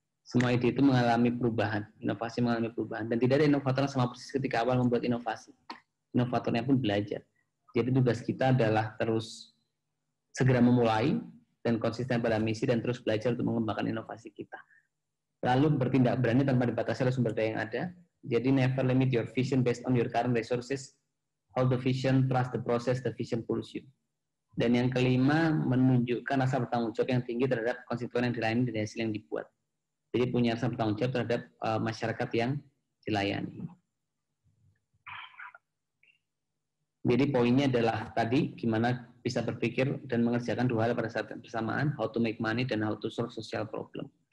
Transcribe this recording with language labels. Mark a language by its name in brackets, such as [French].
[Indonesian] Semua ide itu mengalami perubahan, inovasi mengalami perubahan. Dan tidak ada inovator yang sama persis ketika awal membuat inovasi. Inovatornya pun belajar. Jadi tugas kita adalah terus segera memulai, dan konsisten pada misi, dan terus belajar untuk mengembangkan inovasi kita. Lalu bertindak berani tanpa dibatasi oleh sumber daya yang ada. [English] Jadi never limit your vision based on your current resources. Hold the vision, trust the process, the vision pulls you. [Indonesian] Dan yang kelima, menunjukkan rasa bertanggung jawab yang tinggi terhadap konstituen yang dilayani dan hasil yang dibuat. Jadi punya rasa bertanggung jawab terhadap masyarakat yang dilayani. Jadi poinnya adalah tadi, gimana bisa berpikir dan mengerjakan dua hal pada saat yang bersamaan, [English] how to make money [Indonesian] dan [English] how to solve social problem.